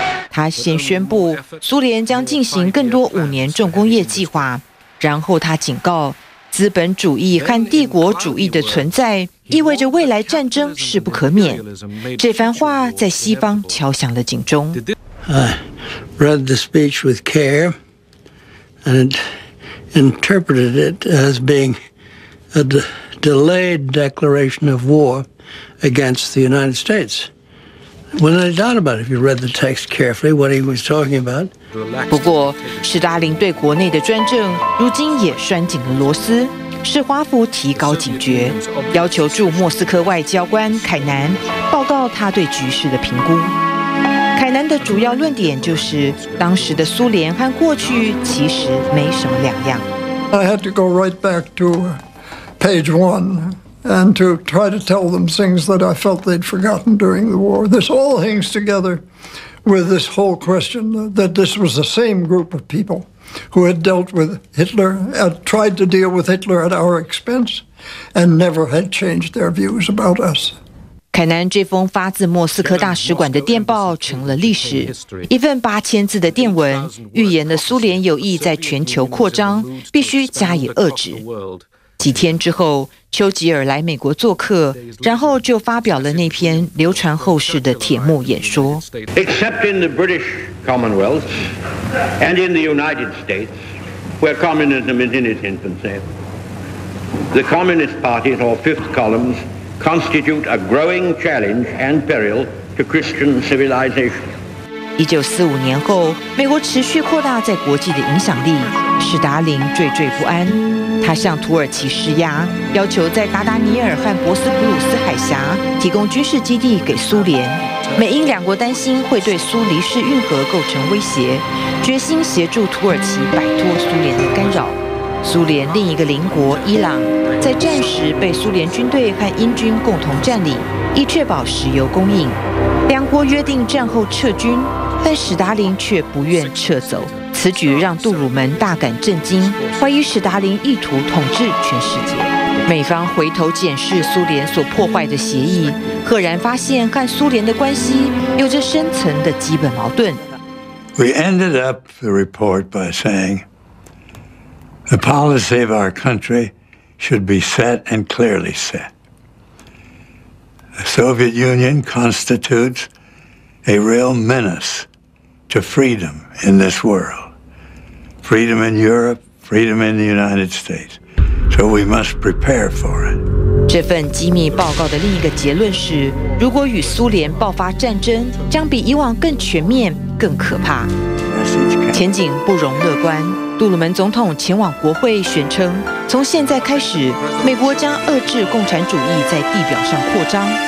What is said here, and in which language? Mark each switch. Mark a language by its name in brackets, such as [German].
[Chinese] 他先宣布苏联将进行更多五年重工业计划，然后他警告，资本主义和帝国主义的存在意味着未来战争势不可免。这番话在西方敲响了警钟。 [English] I read the speech with care and interpreted it as being a delayed declaration of war against the United States. Well, I doubt about it if you read the text carefully, what he was talking about. [Chinese] 不过，史达林对国内的专政如今也拴紧了螺丝，使华府提高警觉，要求驻莫斯科外交官凯南报告他对局势的评估。凯南的主要论点就是，当时的苏联和过去其实没什么两样。 [English] I had to go right back to page one. And to try to tell them things that I felt they'd forgotten during the war. This all hangs together with this whole question that this was the same group of people who had dealt with Hitler, had tried to deal with Hitler at our expense, and never had changed their views about us. [Chinese] 凯南这封发自莫斯科大使馆的电报成了历史，一份8000字的电文预言了苏联有意在全球扩张，必须加以遏制。几天之后，丘吉尔来美国做客，然后就发表了那篇流传后世的铁幕演说。 [English] Except in the British Commonwealth and in the United States, where communism is in its infancy, the Communist Parties or Fifth Columns constitute a growing challenge and peril to Christian civilization. [Chinese] 1945年后，美国持续扩大在国际的影响力，使达林惴惴不安。他向土耳其施压，要求在达达尼尔和博斯普鲁斯海峡提供军事基地给苏联。美英两国担心会对苏黎世运河构成威胁，决心协助土耳其摆脱苏联的干扰。苏联另一个邻国伊朗，在战时被苏联军队和英军共同占领，以确保石油供应。两国约定战后撤军，但史达林却不愿撤走。此举让杜鲁门大感震惊，怀疑史达林意图统治全世界。美方回头检视苏联所破坏的协议，赫然发现和苏联的关系有着深层的基本矛盾。 [English] We ended up the report by saying the policy of our country should be set and clearly set. The Soviet Union constitutes a real menace to freedom in this world. Freedom in Europe, freedom in the United States. So we must prepare for it. [Chinese] 这份机密报告的另一个结论是，如果与苏联爆发战争，将比以往更全面、更可怕。前景不容乐观。杜鲁门总统前往国会宣称，从现在开始，美国将遏制共产主义在地表上扩张。